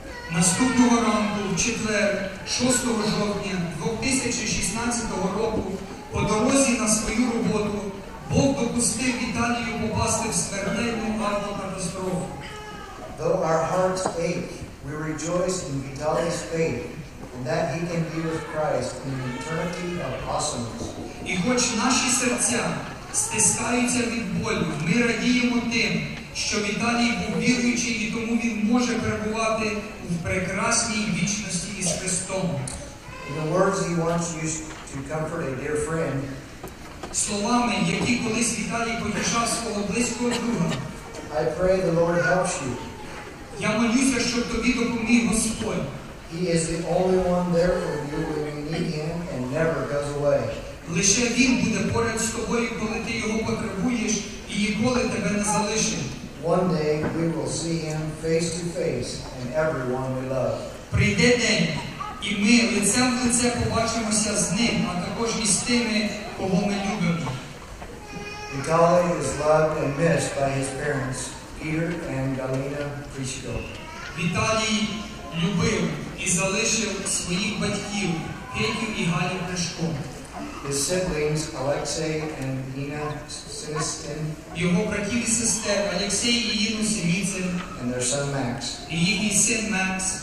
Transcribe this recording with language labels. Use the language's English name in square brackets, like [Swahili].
[Ukrainian] Наступного ранку, в четвер, 6 жовтня 2016 року, по дорозі на свою роботу, Бог допустив Віталію попасти в смертельну автокатастрофу. [English] Though our hearts ache, we rejoice in Vitaly's faith, and that he can be with Christ in an eternity of awesomeness. [Ukrainian] І хоч наші серця стискаються від болю, ми радіємо тим, що Віталій був віруючий, і тому він може перебувати в прекрасній вічності із Христом. [English] In the words he once used to comfort a dear friend, [Ukrainian] словами, які колись Віталій потішав свого близького друга, [English] I pray the Lord helps you. [Ukrainian] Я молюся, щоб тобі допоміг Господь. [English] He is the only one there for you when you need him and never goes away. [Ukrainian] Лише він буде поряд з тобою, коли ти його потребуєш, і ніколи тебе не залишить. [English] One day we will see him face to face and everyone we love. [Ukrainian] Прийде день, і ми лицем в лице побачимося з ним, а також і з тими, кого ми любимо. [English] Vitaly is loved and missed by his parents, Peter and Galina Prisco. [Ukrainian] Vitaly любив і залишив своїх батьків, Петю і Галю Присько. [English] His siblings, Alexei and Nina Sinistin. [Ukrainian] Його братів і сестер, Алексей і Іну Синіцин. [English] And their son, Max. [Ukrainian] І їхній син, Max.